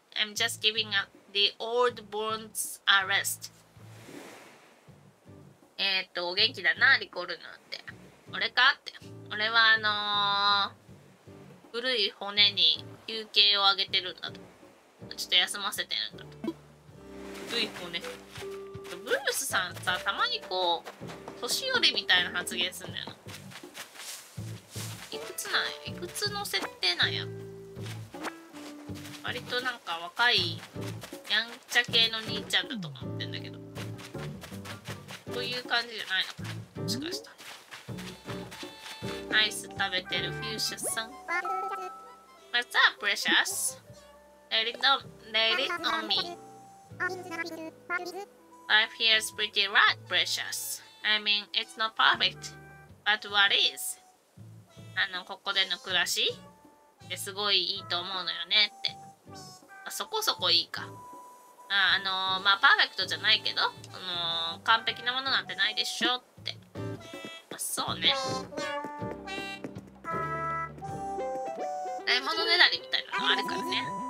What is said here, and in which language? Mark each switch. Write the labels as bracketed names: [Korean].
[English] I'm just giving up the old bones a rest. [Japanese] お元気だな、リコルヌって。俺かって。俺は古い骨に休憩をあげてるんだと。ちょっと休ませてるんだと。古い骨。ブルースさんさ、たまにこう、年寄りみたいな発言すんだよな。いくつなんや、いくつの設定なんや。割となんか若いやんちゃ系の兄ちゃんだと思ってんだけど、こういう感じじゃないのかな、もしかしたら。アイス食べてるフューシャさん、 [English] What's up precious? Lay it on me. Life here is pretty rough, precious. I mean, it's not perfect, but what is? [Japanese] ここでの暮らしすごいいいと思うのよねって、まあ、そこそこいいか、まあ、まあパーフェクトじゃないけど、完璧なものなんてないでしょって、まあ、そうね、ないものねだりみたいなのもあるからね。